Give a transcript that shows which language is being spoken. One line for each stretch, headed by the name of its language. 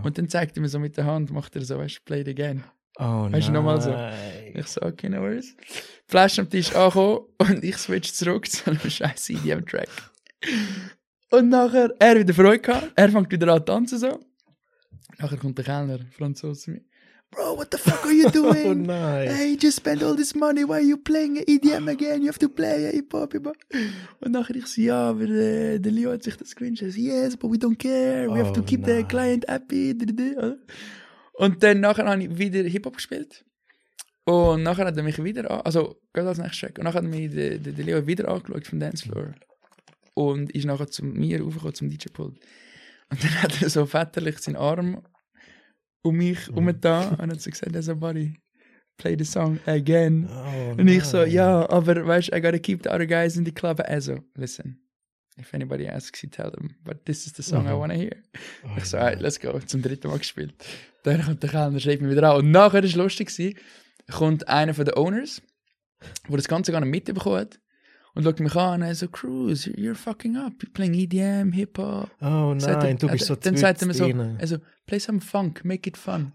German: Und dann zeigt er mir so mit der Hand, macht er so, weißt du,
English: play it again.
German: Weißt du, nochmal so. Ich so, okay,
English: no worries.
German: Die Flasche am Tisch ankommen und ich switch zurück zu einem scheiß EDM-Track. Und nachher, er wieder Freude gehabt, er fängt wieder an zu tanzen so. Nachher kommt der Kellner, Franzose, zu mir.
English: Bro, what the fuck are you doing?
German: Oh nein.
English: Hey, you just spend all this money, why are you playing EDM again? You have to play hip-hop, hip-hop.
German: Und nachher ich so, ja, aber der Leo hat sich das gewünscht. Er so,
English: yes, but we don't care. We have to keep the client happy.
German: Und dann nachher habe ich wieder Hip-Hop gespielt. Und nachher hat er mich wieder gerade als nächstes Track. Und nachher hat mich der Leo wieder angeschaut vom Dancefloor. Und ist nachher zu mir raufgekommen, zum DJ-Pult. Und dann hat er so väterlich seinen Arm um mich herumgetan und hat so gesagt, also
English: buddy, play the song again.
German: Oh, und ich so, ja, aber weißt du,
English: I gotta keep the other guys in the club. Also, listen, if anybody asks, you tell them, but this is the song I wanna hear.
German: Oh, ich so,
English: all right, let's go,
German: zum dritten Mal gespielt. Dann kommt der Kellner, schreibt mich wieder an. Und nachher, das war lustig, kommt einer von den Owners, der das Ganze gar nicht mitbekommen hat, und schaut mich an und er so, Cruz,
English: you're fucking up. You're playing EDM, Hip-Hop.
German: Oh nein, er, du bist so zwitschig. Dann sagt er mir so, also,
English: play some funk, make it fun.